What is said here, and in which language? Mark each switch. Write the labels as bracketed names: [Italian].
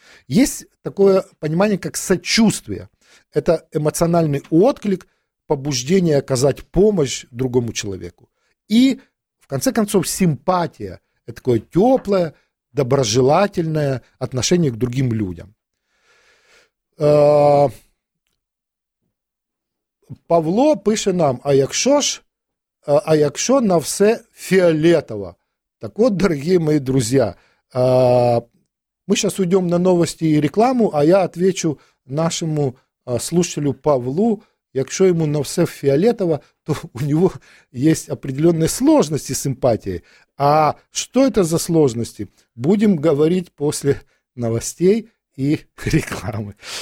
[Russian] Есть такое понимание, как сочувствие. Это эмоциональный отклик, побуждение оказать помощь другому человеку. И, в конце концов, симпатия. Это такое теплое, доброжелательное отношение к другим людям. [Ukrainian] Павло пише нам, а якщо на все фиолетово. [Russian] Так вот, дорогие мои друзья, мы сейчас уйдем на новости и рекламу, а я отвечу нашему слушателю Павлу. Якщо ему на все фиолетово, то у него есть определенные сложности с эмпатией. А что это за сложности? Будем говорить после новостей и рекламы.